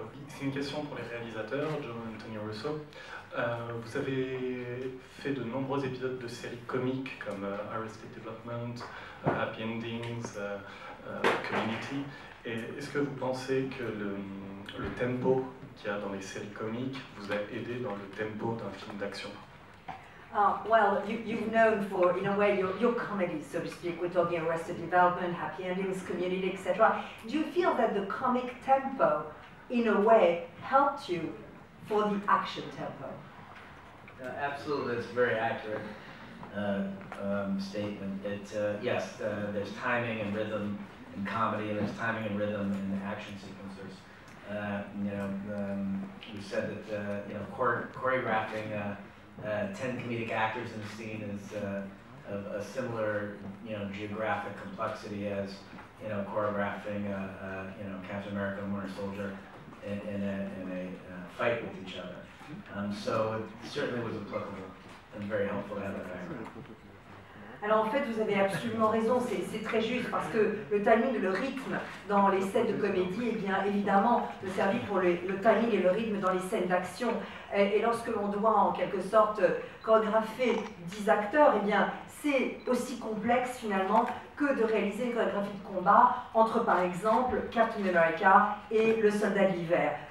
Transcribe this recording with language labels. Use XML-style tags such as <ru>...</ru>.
<fr>C'est une question pour les réalisateurs, John Anthony Russo. Vous avez fait de nombreux épisodes de séries comiques comme Arrested Development, Happy Endings, Community. Et est-ce que vous pensez que le tempo qu'il y a dans les séries comiques vous a aidé dans le tempo d'un film d'action?</fr> <en>Well, you've known for, in a way, your comedy, so to speak. We're talking Arrested Development, Happy Endings, Community, etc. Do you feel that the comic tempo, in a way, helped you for the action tempo? Absolutely, that's a very accurate statement. Yes, there's timing and rhythm in comedy, and there's timing and rhythm in the action sequences. You said that choreographing 10 comedic actors in a scene is of a similar, you know, geographic complexity as, you know, choreographing Captain America and Winter Soldier in a fight with each other. So it certainly was applicable and very helpful to have that background.</en> <fr>Alors en fait, vous avez absolument raison, c'est très juste, parce que le timing et le rythme dans les scènes de comédie, eh bien évidemment, me servit pour le timing et le rythme dans les scènes d'action. Et lorsque l'on doit en quelque sorte chorégrapher 10 acteurs, eh bien c'est aussi complexe finalement que de réaliser une chorégraphie de combat entre par exemple Captain America et le soldat de l'hiver.</fr>